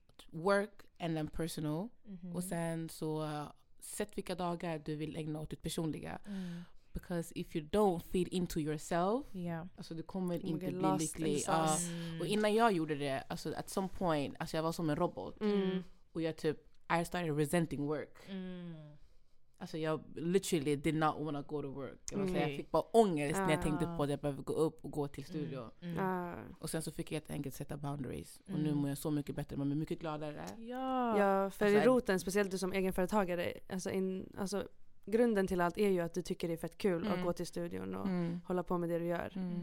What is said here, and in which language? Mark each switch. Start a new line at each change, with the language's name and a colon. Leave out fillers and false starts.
English: Work and then personal.
Swedish: Och sen så sätt vilka dagar du vill ägna åt ditt personliga.
English: Because if you don't feed into yourself,
Swedish: alltså du kommer inte bli lycklig. Och innan jag gjorde det, alltså
English: at some point,
Swedish: alltså jag var som en robot. Och jag typ,
English: I started resenting work.
Swedish: Alltså jag
English: literally did not want to go to work.
Swedish: Jag fick bara ångest när jag tänkte på att jag behöver gå upp och gå till studio. Och sen så fick jag helt enkelt sätta boundaries. Och nu mår jag så mycket bättre. Man blir mycket gladare. Ja, för alltså, i roten, speciellt du som egenföretagare, alltså grunden till allt är ju att du tycker det är fett kul att gå till studion och hålla på med det du gör.